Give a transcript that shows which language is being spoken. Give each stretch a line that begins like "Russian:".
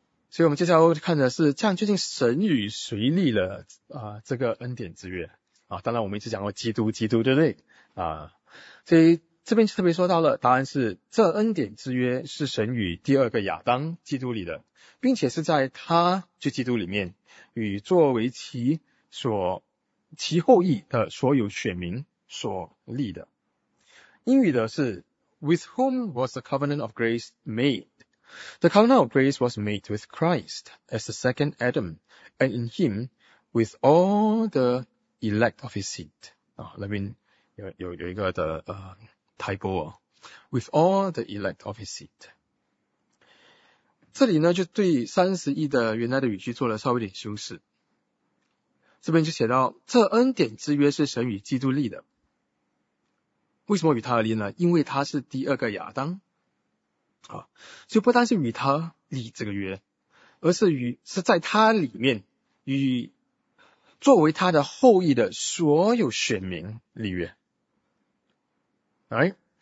Chinese: 所以我们接下来看的是这样究竟神与谁立了、这个恩典之约啊，当然我们一直讲过基督基督对不对啊，所以这边就特别说到了答案是这恩典之约是神与第二个亚当基督里的，并且是在他就基督里面与作为其所其后裔的所有选民所立的。英语的是
English: With whom was the covenant of grace made? The covenant of grace was made with Christ as the second Adam and in him with all theelect of his seed. 啊、
Chinese: 那边有一个的
English: typo、哦、with all the elect of his seed.
Chinese: 这里呢就对31的原来的语句做了稍微点修饰。这边就写到这恩典之约是神与基督立的。为什么与他而立呢？因为他是第二个亚当。啊、就不单是与他立这个约，而是与是在他里面与作为他的后裔的所有选民立约、right?